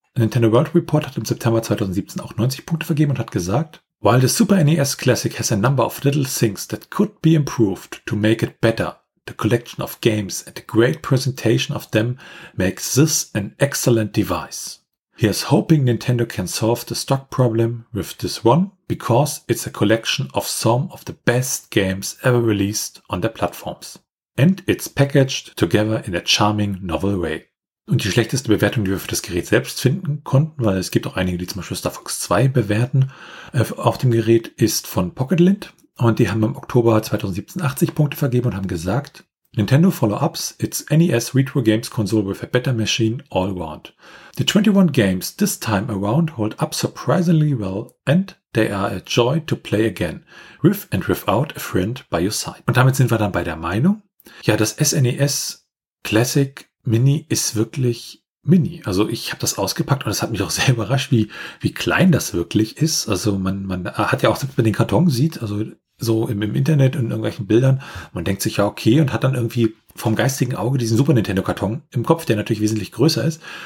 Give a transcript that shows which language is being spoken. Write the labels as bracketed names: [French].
[German] Nintendo World Report hat im September 2017 auch 90 Punkte vergeben und hat gesagt: [English] "While the Super NES Classic has a number of little things that could be improved to make it better, the collection of games and the great presentation of them makes this an excellent device. Here's hoping Nintendo can solve the stock problem with this one, because it's a collection of some of the best games ever released on their platforms. And it's packaged together in a charming novel way." [German] Und die schlechteste Bewertung, die wir für das Gerät selbst finden konnten, weil es gibt auch einige, die zum Beispiel Star Fox 2 bewerten, auf dem Gerät, ist von Pocketlint. Und die haben im Oktober 2017 80 Punkte vergeben und haben gesagt: [English] "Nintendo follow-ups, it's NES Retro Games Console with a better machine all round. The 21 games this time around hold up surprisingly well and they are a joy to play again, with and without a friend by your side." [German] Und damit sind wir dann bei der Meinung, ja, das SNES Classic Mini ist wirklich Mini. Also ich habe das ausgepackt und es hat mich auch sehr überrascht, wie klein das wirklich ist. Also man hat ja auch, selbst wenn man den Karton sieht, also so im Internet und in irgendwelchen Bildern, man denkt sich ja okay und hat dann irgendwie vom geistigen Auge diesen Super Nintendo Karton im Kopf, der natürlich wesentlich größer ist.